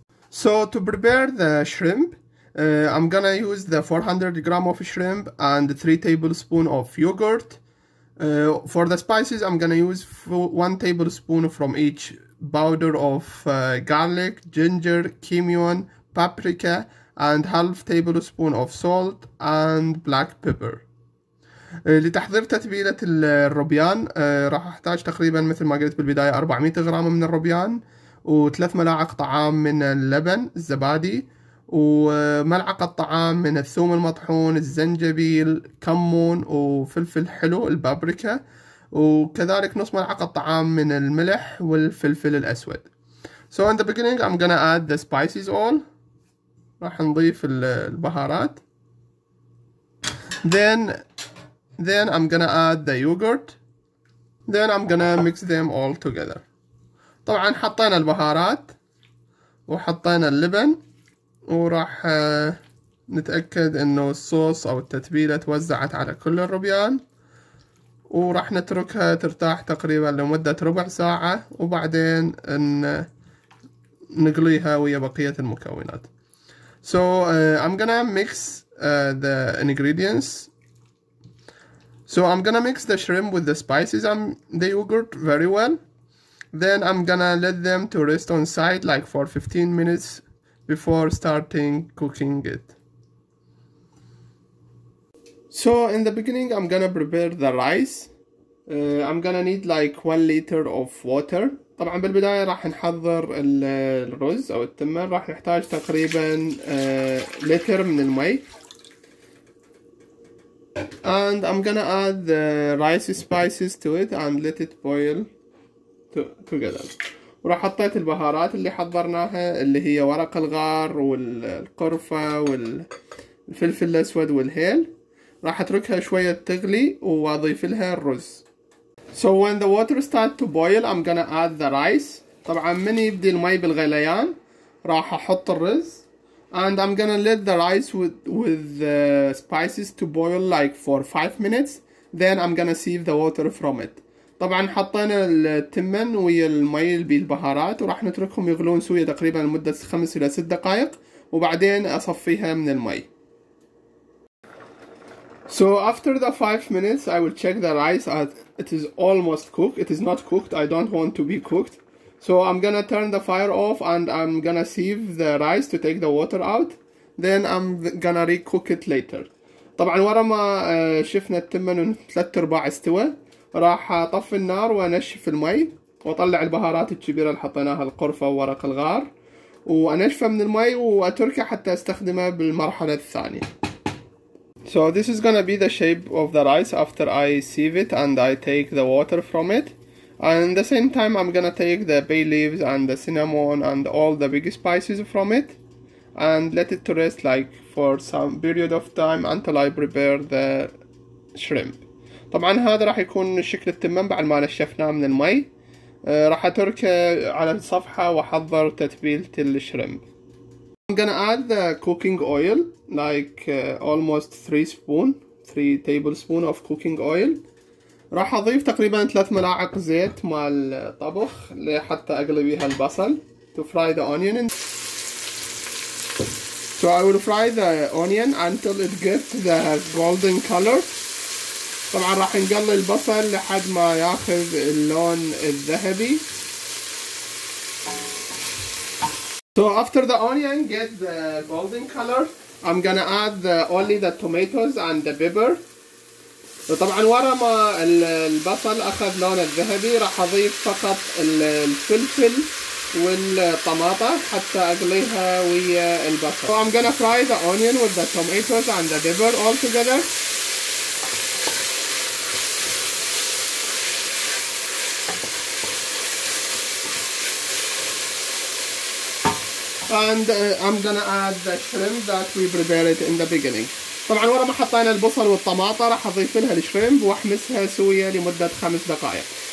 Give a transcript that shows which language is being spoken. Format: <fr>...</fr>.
<en>So to prepare the shrimp, I'm gonna use the 400 gram of shrimp and 3 tablespoon of yogurt. For the spices, I'm gonna use 1 tablespoon from each powder of garlic, ginger, cumin, paprika, and half tablespoon of salt and black pepper.</en> <ar>لتحضير تتبيلة الروبيان راح أحتاج تقريبا مثل ما قلت بالبداية 400 غرام من الروبيان، وثلاث ملاعق طعام من اللبن الزبادي، وملعقة طعام من الثوم المطحون، الزنجبيل، كمون، وفلفل حلو البابريكا، وكذلك نص ملعقة طعام من الملح والفلفل الأسود.</ar> <en>So in the beginning I'm gonna add the spices all.</en> <ar>راح نضيف البهارات.</ar> <en>Then I'm gonna add the yogurt. Then I'm gonna mix them all together.</en> <ar>طبعا حطينا البهارات وحطينا اللبن، وراح نتأكد انه الصوص او التتبيلة توزعت على كل الروبيان، وراح نتركها ترتاح تقريبا لمدة ربع ساعة، وبعدين نقليها ويا بقية المكونات.</ar> <en>So I'm gonna mix the ingredients. So I'm gonna mix the shrimp with the spices and the yogurt very well. Then I'm gonna let them to rest on side like for 15 minutes before starting cooking it. So in the beginning I'm gonna prepare the rice. I'm gonna need like 1 liter of water.</en> <ar>طبعا بالبداية راح نحضر الرز او التمر، راح نحتاج تقريبا لتر من المي.</ar> <en>And I'm gonna add the rice spices to it and let it boil together.</en> <ar>وراح حطيت البهارات اللي حضرناها اللي هي ورق الغار والقرفة والفلفل الاسود والهيل. راح اتركها شوية تغلي واضيف لها الرز.</ar> <en>So when the water start to boil I'm gonna add the rice.</en> <ar>طبعا من يبدي المي بالغليان راح احط الرز.</ar> <en>And I'm gonna let the rice with the spices to boil like for 5 minutes. Then I'm gonna sieve the water from it.</en> <ar>طبعا حطينا التمن ويا المي بالبهارات، وراح نتركهم يغلون سوية تقريبا لمدة 5 الى 6 دقائق، وبعدين اصفيها من المي.</ar> <en>So after the 5 minutes I will check the rice as it is almost cooked. It is not cooked, I don't want to be cooked. So I'm gonna turn the fire off and I'm gonna sieve the rice to take the water out. Then I'm gonna re-cook it later.</en> <ar>طبعا ورا ما شفنا التمن ثلاث ارباع استوى، راح اطفي النار وانشف المي واطلع البهارات الكبيره اللي حطيناها، القرفه وورق الغار، وانشفه من المي واتركه حتى استخدمه بالمرحله الثانيه.</ar> <en>So this is gonna be the shape of the rice after I sieve it and I take the water from it. And at the same time I'm gonna take the bay leaves and the cinnamon and all the big spices from it and let it to rest like for some period of time until I prepare the shrimp.</en> <ar>طبعا هذا راح يكون شكل التمام بعد ما نشفناه من المي. راح اتركه على الصفحة واحضر تتبيلة الشريمب.</ar> <en>I'm gonna add the cooking oil like almost 3 tablespoon of cooking oil.</en> <ar>راح اضيف تقريبا 3 ملاعق زيت مع الطبخ لحتى اقلي بيها البصل</ar> <en>to fry the onion. So I will fry the onion until it gets the golden color.</en> <ar>طبعا راح نقلي البصل لحد ما ياخذ اللون الذهبي.</ar> <en>So after the onion get the golden color, I'm gonna add only the tomatoes and the pepper.</en> <ar>طبعا ورا ما البصل اخذ لون الذهبي راح اضيف فقط الفلفل والطماطة حتى اقليها ويا البصل.</ar> <en>So I'm gonna fry the onion with the tomatoes and the pepper all together. And I'm gonna add the shrimp that we prepared in the beginning.</en> <ar>طبعا ورا ما حطينا البصل والطماطة راح اضيف لها الشريمب واحمسها سوية لمدة 5 دقائق.</ar>